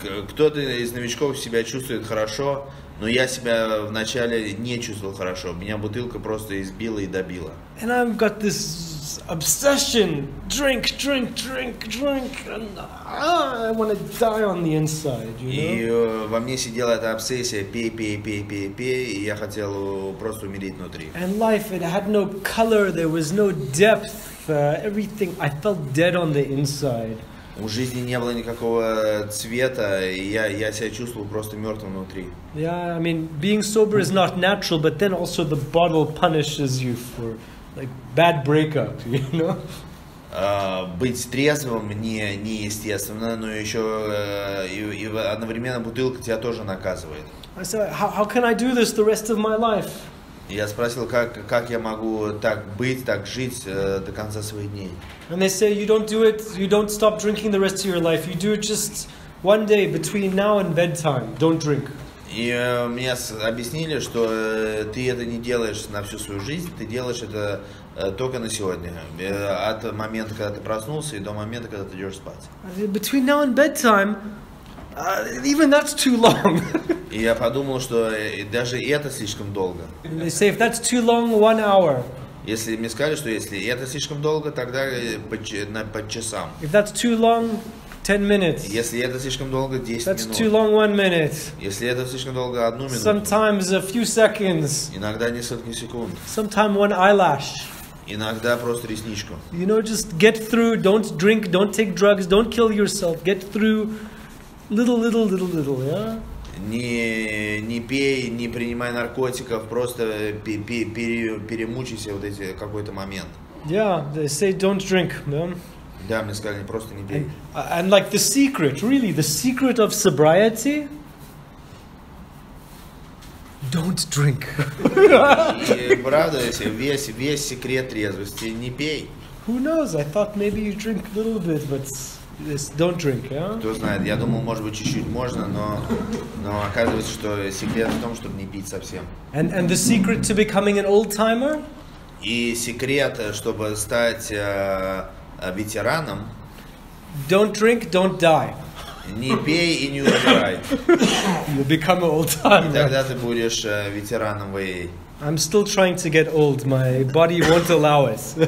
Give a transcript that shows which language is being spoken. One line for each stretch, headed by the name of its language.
Russian: Кто-то из новичков себя чувствует хорошо, но я себя вначале не чувствовал хорошо. Меня бутылка просто избила и добила.
English: And I've got this obsession: drink, and I want to die on the inside. You know?
Russian: И во мне сидела эта обсессия: пей, и я хотел просто умереть внутри.
English: And life, it had no color, there was no depth. Everything, I felt dead on the inside.
Russian: У жизни не было никакого цвета, и я себя чувствовал просто мертвым внутри.
English: Yeah, I mean, being sober is not natural, but then also the bottle punishes you for like bad breakup, you know?
Russian: Быть трезвым не естественно, но еще и одновременно бутылка тебя тоже наказывает.
English: I said, how can I do this the rest of my life?
Russian: Я спросил, как я могу так быть, так жить до конца своих дней.
English: And they say, you don't do it, you don't stop drinking the rest of your life. You do it just one day between now and bedtime. Don't drink.
Russian: И мне объяснили, что ты это не делаешь на всю свою жизнь, ты делаешь это только на сегодня. От момента, когда ты проснулся, и до момента, когда ты идешь спать.
English: Between now and bedtime, even that's too long.
Russian: И я подумал, что даже это слишком долго.
English: They say, if that's too long, 1 hour.
Russian: Если мне сказали, что если это слишком долго, тогда по часам.
English: If that's too long, 10 minutes.
Russian: Если это слишком долго, 10
English: that's
Russian: минут.
English: That's too long, 1 minute.
Russian: Если это слишком долго, 1 минуту.
English: Sometimes a few seconds.
Russian: Иногда несколько секунд.
English: Sometimes 1 eyelash.
Russian: Иногда просто ресничку.
English: You know, just get through, don't drink, don't take drugs, don't kill yourself. Get through little, yeah?
Russian: Не пей, не принимай наркотиков, просто перемучайся вот эти какой-то момент.
English: Yeah, they say don't drink, no?
Russian: Да, мне сказали, просто не пей.
English: And like the secret, really, the secret of sobriety, don't drink.
Russian: И правда, если весь секрет трезвости, не пей.
English: Who knows? I thought maybe you drink a little bit, but this, don't drink, yeah?
Russian: Кто знает, я думал, может быть, чуть-чуть можно, но оказывается, что секрет в том, чтобы не пить совсем.
English: And the secret to becoming an old-timer?
Russian: И секрет, чтобы стать ветераном?
English: Don't drink, don't die.
Russian: Не пей и не умирай.
English: You'll become an old-timer.
Russian: И тогда ты будешь ветераном в ИИ.
English: I'm still trying to get old. My body won't allow it.